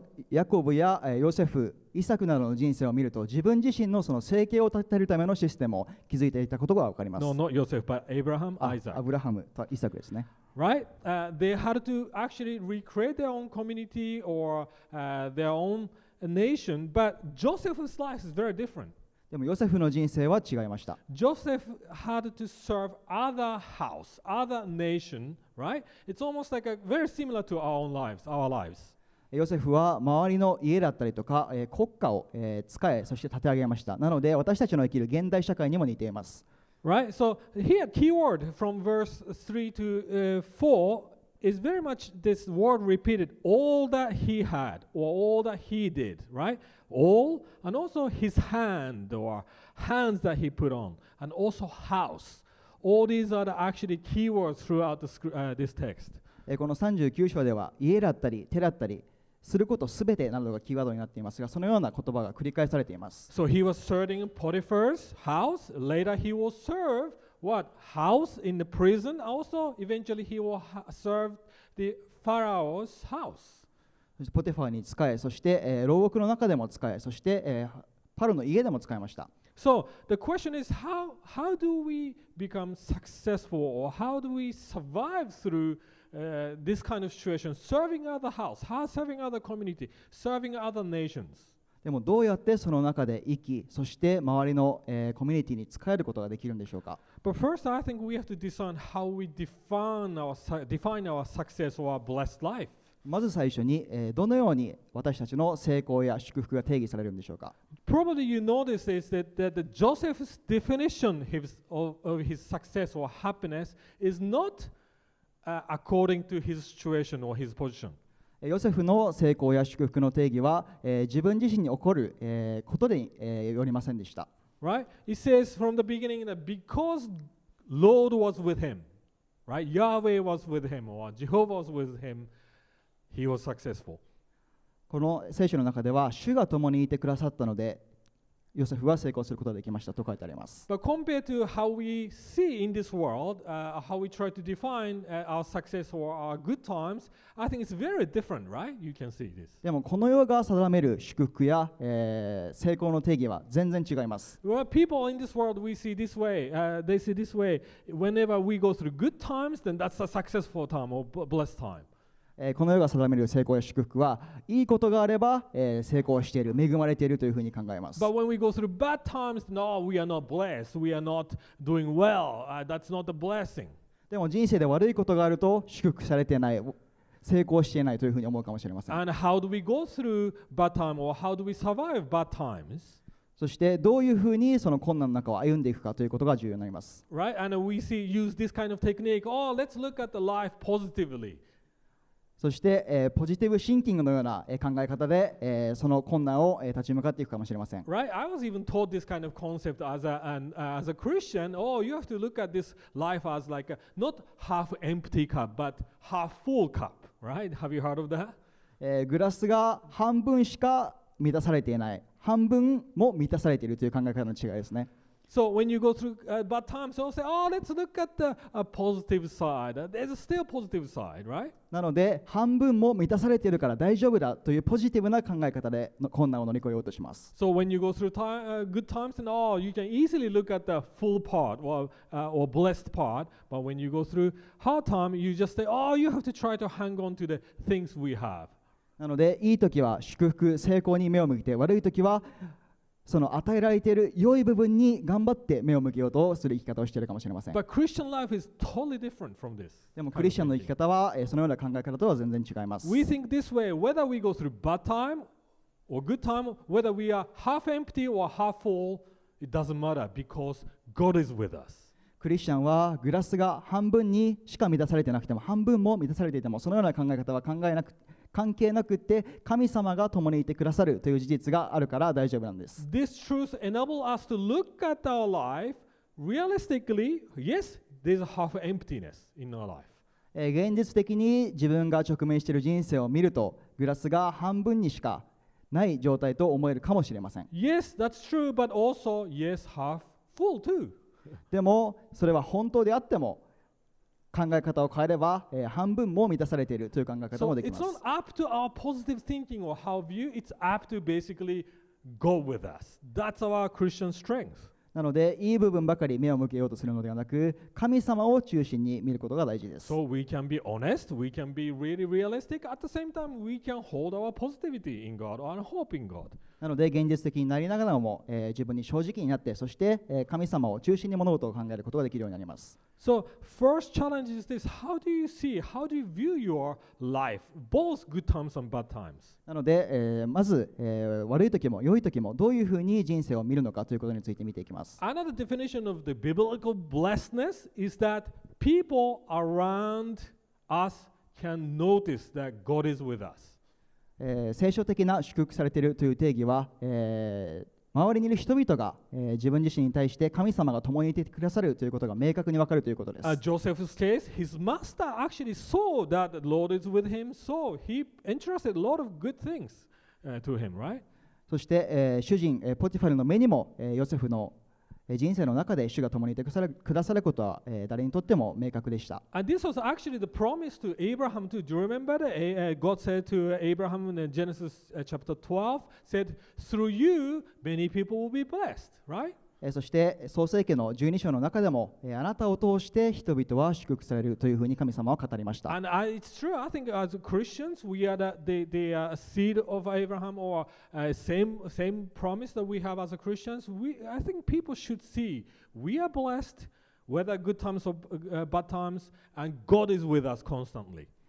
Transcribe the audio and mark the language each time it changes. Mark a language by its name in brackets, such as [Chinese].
[Japanese] ヤコブやヨセフ、イサクなどの人生を見ると、自分自身のその生計を立てるためのシステムを築いていたことがわかります。 [English] No, not Joseph, but Abraham, Isaac. [Japanese] アブラハムとイサクですね。 [English] Right? They had to actually recreate their own community or their own. A nation, but Joseph's life is very different. [Japanese] でもヨセフの人生は違いました。 [English] Joseph had to serve other house, other nation, right? It's almost like a very similar to our own lives, our lives. [Japanese] ヨセフは周りの家だったりとか、国家を、使え、そして立て上げました。なので私たちの生きる現代社会にも似ています。 [English] Right? So here, keyword from verse 3 to 4. Is very much this word repeated, all that he had or all that he did, right? All and also his hand or hands that he put on and also house. All these are the actually keywords throughout this text. [Japanese] この39章では家だったり手だったりすることすべてなどがキーワードになっていますが、そのような言葉が繰り返されています。 [English] So he was serving Potiphar's house. Later he will serve. What house in the prison? Also, eventually he will serve the Pharaoh's house. [Japanese] ポテファーに使え、そして牢獄の中でも使え、そしてパロの家でも使いました。 [English] So the question is, how do we become successful or how do we survive through this kind of situation? Serving other house, how serving other community, serving other nations. [Japanese] でもどうやってその中で生き、そして周りの、コミュニティに使えることができるんでしょうか。 [English] But first, I think we have to discern how we define our success or our blessed life. [Japanese] まず最初に、どのように私たちの成功や祝福が定義されるんでしょうか。 [English] Probably you notice is that the Joseph's definition of his success or happiness is not according to his situation or his position. [Japanese] ヨセフの成功や祝福の定義は、自分自身に起こる、ことで、よりませんでした。 [English] Right? It says from the beginning that because Lord was with him, right? Yahweh was with him or Jehovah was with him, he was successful. [Japanese] この聖書の中では、主が共にいてくださったので、ヨセフは成功することができましたと書いてあります。 [English] But compared to how we see in this world, how we try to define our success or our good times, I think it's very different, right? You can see this. [Japanese] でもこの世が定める祝福や、成功の定義は全然違います。 [English] Well, people in this world we see this way. They see this way. Whenever we go through good times, then that's a successful time or blessed time. [Japanese] この世が定める成功や祝福は、いいことがあれば、成功している、恵まれているというふうに考えます。 [English] But when we go through bad times, no, we are not blessed. We are not doing well. That's not a blessing. [Japanese] でも人生で悪いことがあると、祝福されていない、成功していないというふうに思うかもしれません。 [English] And how do we go through bad time or how do we survive bad times? [Japanese] そしてどういうふうにその困難の中を歩んでいくかということが重要になります。 [English] Right? And we see, use this kind of technique. Oh, let's look at the life positively. [Japanese] そして、ポジティブシンキングのような、考え方で、その困難を、立ち向かっていくかもしれません。 [English] Right, I was even taught this kind of concept as a Christian. Oh, you have to look at this life as like a, not half empty cup, but half full cup. Right? Have you heard of that? [Japanese] グラスが半分しか満たされていない、半分も満たされているという考え方の違いですね。 [English] So when you go through bad times, you'll say, oh, let's look at the positive side. There's still a positive side, right? [Japanese] なので、半分も満たされているから大丈夫だというポジティブな考え方で困難を乗り越えようとします。 [English] So when you go through good times, then, oh, you can easily look at the full part or blessed part. But when you go through hard time, you just say, oh, you have to try to hang on to the things we have. [Japanese] なので、いい時は祝福、成功に目を向けて、悪い時はその与えられている良い部分に頑張って目を向けようとする生き方をしているかもしれません。 [English] But Christian life is totally different from this. [Japanese] でもクリスチャンの生き方はそのような考え方とは全然違います。 [English] We think this way, whether we go through bad time or good time, whether we are half empty or half full, it doesn't matter because God is with us. [Japanese] クリスチャンはグラスが半分にしか満たされていなくても、半分も満たされていても、そのような考え方は考えなくて関係なくって、神様が共にいてくださるという事実があるから大丈夫なんです。 [English] This truth enables us to look at our life realistically. Yes, there's a half emptiness in our life. [Japanese] 現実的に自分が直面している人生を見ると、グラスが半分にしかない状態と思えるかもしれません。 [English] Yes, that's true, but also yes, half full too. [Japanese] でもそれは本当であっても、考え方を変えれば、半分も満たされているという考え方もできます。 [English] So it's not up to our positive thinking or how view, it's up to basically God with us. That's our Christian strength. [Japanese] なので、いい部分ばかり目を向けようとするのではなく、神様を中心に見ることが大事です。 [English] So we can be honest, we can be really realistic, at the same time we can hold our positivity in God and hope in God. [Japanese] なので、現実的になりながらも、自分に正直になって、そして、神様を中心に物事を考えることができるようになります。 [English] So, first challenge is this. How do you see, how do you view your life, both good times and bad times? [Japanese] なので、まず、悪い時も良い時もどういうふうに人生を見るのかということについて見ていきます。 [English] Another definition of the biblical blessedness is that people around us can notice that God is with us. [Japanese] 聖書的な祝福されているという定義は、周りにいる人々が、自分自身に対して神様が共にいてくださるということが明確に分かるということです。 [English] Joseph's case, his master actually saw that the Lord is with him, so he entrusted a lot of good things to him, right? [Japanese] そして、主人、ポティファルの目にも、ヨセフの、人生の中で主が共にいてくださることは、誰にとっても明確でした。 [English] And this was actually the promise to Abraham too. Do you remember that God said to Abraham in Genesis chapter 12, said, through you, many people will be blessed, right? [Japanese] そして創世記の12章の中でも、あなたを通して人々は祝福されるというふうに神様は語りました。 [English] And it's true, I think as Christians, we are the seed of Abraham or same promise that we have as a Christians. I think people should see we are blessed, whether good times or bad times, and God is with us constantly.